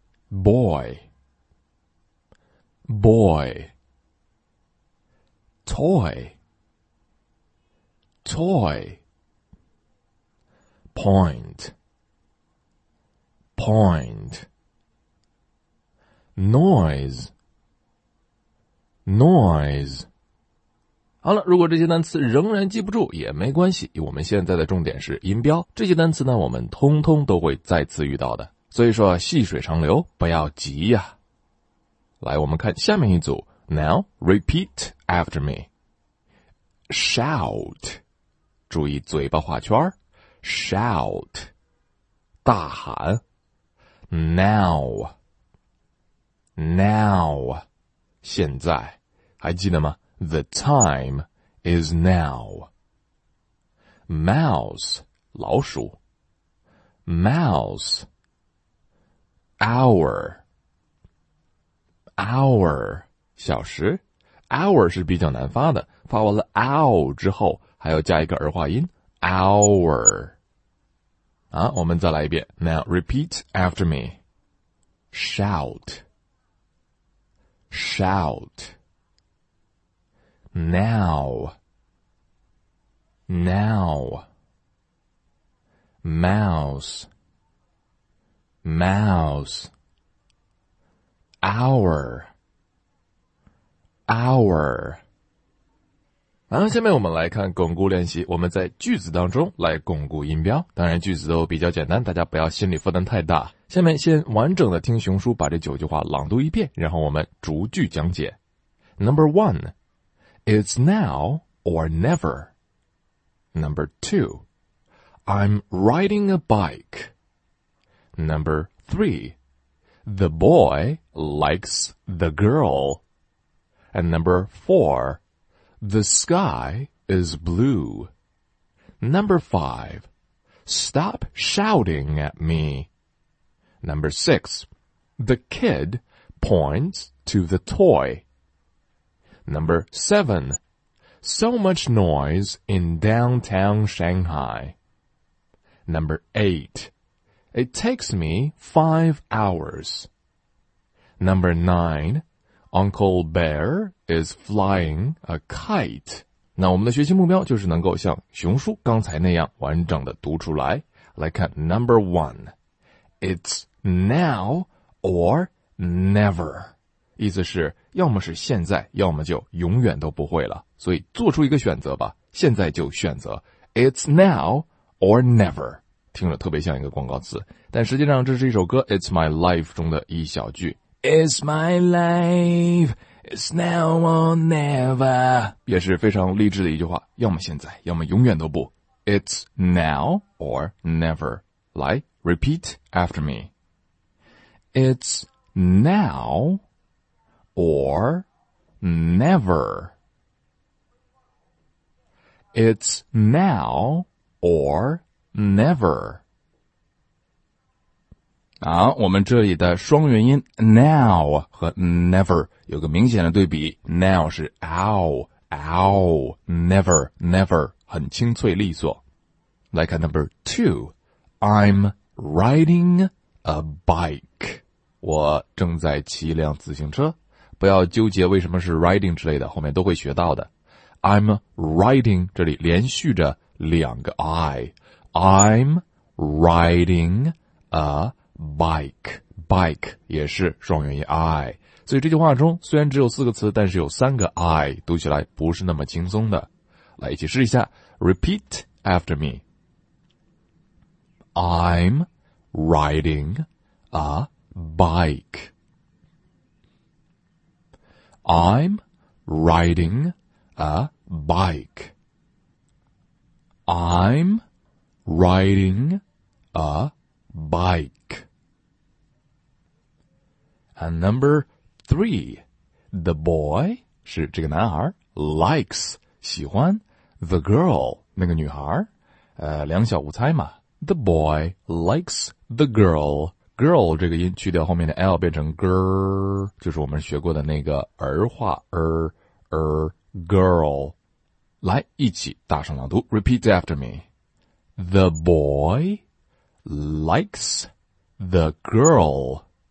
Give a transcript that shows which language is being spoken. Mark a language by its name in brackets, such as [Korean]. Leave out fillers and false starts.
[English] Boy, boy, toy, toy, point, point, noise, noise. [Chinese] 好了，如果这些单词仍然记不住也没关系，我们现在的重点是音标，这些单词呢，我们通通都会再次遇到的。所以说细水长流，不要急呀。来，我们看下面一组。 [English] Now, repeat after me. Shout. [Chinese] 注意嘴巴画圈。 [English] Shout. [Chinese] 大喊。 [English] Now. Now. [Chinese] 现在。还记得吗？ [English] The time is now. Mouse. [Chinese] 老鼠。 [English] Mouse. Hour, hour, [Chinese] 小时。 Hour 是比较难发的，发完了 ow 之后还要加一个儿化音 hour。啊，我们再来一遍。 [English] Now repeat after me. Shout, shout. Now, now. Mouse. Mouse. Hour. Hour. [Chinese] 然后下面我们来看巩固练习，我们在句子当中来巩固音标。当然句子都比较简单，大家不要心理负担太大。下面先完整的听熊叔把这九句话朗读一遍，然后我们逐句讲解。 [English] Number one, it's now or never. Number two, I'm riding a bike. Number three, the boy likes the girl. And number four, the sky is blue. Number five, stop shouting at me. Number six, the kid points to the toy. Number seven, so much noise in downtown Shanghai. Number eight,It takes me 5 hours. Number nine, Uncle Bear is flying a kite. [Chinese] 那我们的学习目标就是能够像熊叔刚才那样完整的读出来。来看 [English] number one, it's now or never. [Chinese] 意思是要么是现在，要么就永远都不会了。所以做出一个选择吧，现在就选择 [English] it's now or never. [Chinese] 听着特别像一个广告词，但实际上这是一首歌 [English] It's My Life [Chinese] 中的一小句。 [English] is my life, it's now or never. [Chinese] 也是非常励志的一句话，要么现在，要么永远都不。 [English] It's now or never. [Chinese] 来 [English] ,repeat after me. It's now or never. It's now or never. [Chinese] 好、啊、我们这里的双元音 now 和 never 有个明显的对比。 [English] Now 是 ow, ow, never, never, [Chinese] 很清脆利索。 [English] Like a number two, I'm riding a bike. [Chinese] 我正在骑一辆自行车。不要纠结为什么是 riding 之类的，后面都会学到的。 [English] I'm riding, [Chinese] 这里连续着两个 I. [English] I'm riding a bike. [Chinese] Bike 也是双元音 I. 所以这句话中虽然只有四个词，但是有三个 I, 读起来不是那么轻松的。来一起试一下。 [English] Repeat after me. I'm riding a bike. I'm riding a bike. I'm riding a bike. And number three, the boy, [Chinese] 是这个男孩 [English] likes, [Chinese] 喜欢 [English] the girl, [Chinese] 那个女孩两小无猜嘛。 [English] The boy likes the girl. [Chinese] Girl 这个音去掉后面的 L 变成 girl, 就是我们学过的那个儿化girl. 来一起大声朗读 , [English] repeat after me. The boy likes the girl.